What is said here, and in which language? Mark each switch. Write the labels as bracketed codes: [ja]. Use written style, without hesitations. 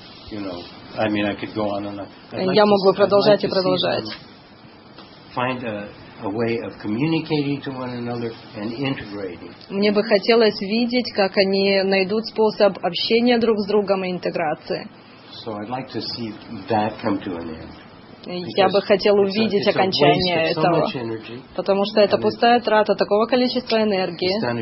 [ru] Я мог бы продолжать и продолжать. Мне бы хотелось видеть, как они найдут способ общения друг с другом и интеграции. [en] So I'd like to see that come to an end. [ru] Я бы хотел увидеть окончание этого, потому что это пустая трата такого количества энергии.